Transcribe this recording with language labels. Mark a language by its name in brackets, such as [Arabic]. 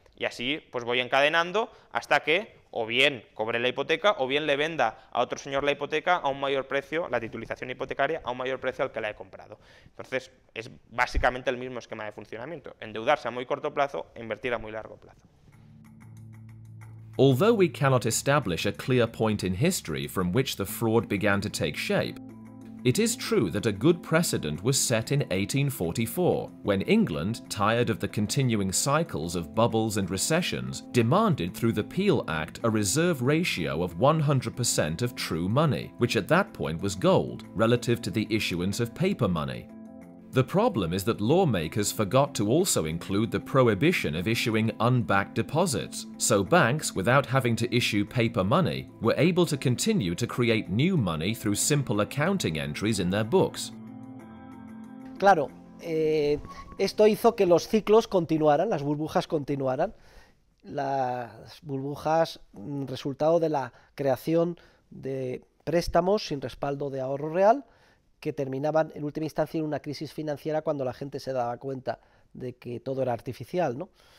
[Spanish] Y así pues voy encadenando hasta que o bien cobre la hipoteca o bien le venda a otro señor la hipoteca a un mayor precio, la titulización hipotecaria a un mayor precio al que la he comprado. Entonces, es básicamente el mismo esquema de funcionamiento, endeudarse a muy corto plazo e invertir a muy largo plazo. [English] Although we cannot establish a clear point in history from which the fraud began to take shape, It is true that a good precedent was set in 1844, when England, tired of the continuing cycles of bubbles and recessions, demanded through the Peel Act a reserve ratio of 100% of true money, which at that point was gold, relative to the issuance of paper money. The problem is that lawmakers forgot to also include the prohibition of issuing unbacked deposits, so banks, without having to issue paper money, were able to continue to create new money through simple accounting entries in their books. [Spanish] Claro, esto hizo que los ciclos continuaran, las burbujas continuaran. Las burbujas, resultado de la creación de préstamos sin respaldo de ahorro real, que terminaban en última instancia en una crisis financiera cuando la gente se daba cuenta de que todo era artificial, ¿no?